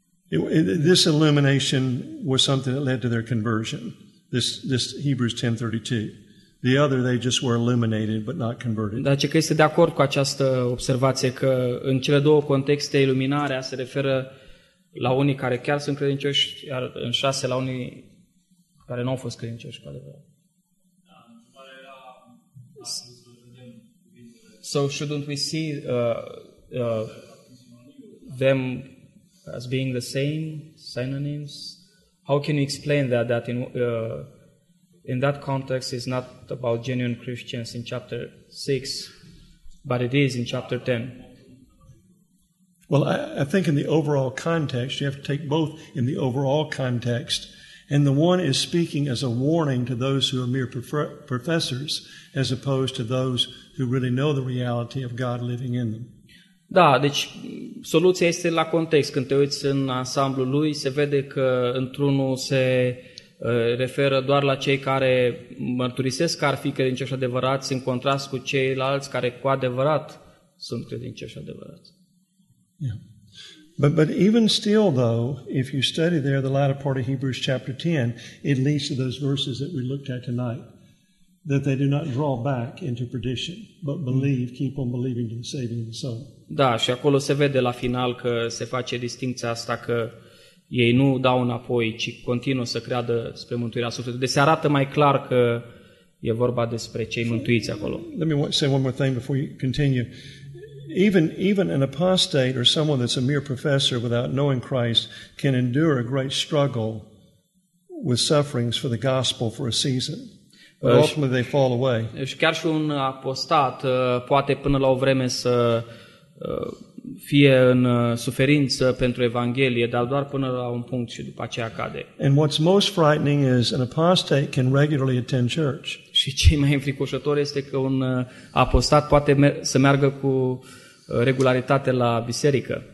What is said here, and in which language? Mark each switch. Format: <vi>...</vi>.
<en>This illumination was something that led to their conversion. This Hebrews 10:32. The other they just were illuminated but not converted.</en> <ro>Dar ce este de acord cu această observație că în cele două contexte iluminarea se referă la unii care chiar sunt credincioși, iar în 6 la unii care nu au fost credincioși cu adevărat.</ro> <en>So shouldn't we see them as being the same synonyms? How can you explain that in that context is not about genuine Christians in chapter 6, but it is in chapter 10? Well, I think in the overall context, you have to take both in the overall context, and the one is speaking as a warning to those who are mere professors as opposed to those who really know the reality of God living in them.</en> <ro>Da, deci soluția este la context. Când te uiți în ansamblul lui, se vede că într-unul se referă doar la cei care mărturisesc că ar fi credincioși adevărați, în contrast cu ceilalți care cu adevărat sunt credincioși adevărați.</ro> <en>Yeah. But even still though, if you study there the latter part of Hebrews chapter 10, it leads to those verses that we looked at tonight, that they do not draw back into perdition, but believe, keep on believing to the saving of the soul.</en> <ro>Da, și acolo se vede la final că se face distinția asta că ei nu dau înapoi, ci continuă să creadă spre mântuirea sufletului. Deci se arată mai clar că e vorba despre cei mântuiți acolo.</ro> <en>Let me say one more thing before you continue. Even an apostate or someone that's a mere professor without knowing Christ can endure a great struggle with sufferings for the gospel for a season. But ultimately they fall away.</en> <ro>Și chiar și un apostat poate până la o vreme să fie în suferință pentru Evanghelie, dar doar până la un punct și după aceea cade.</ro> <en>And what's most frightening is an apostate can regularly attend church.</en> <ro>Și ce e mai înfricoșător este că un apostat poate să meargă cu regularitate la biserică.</ro>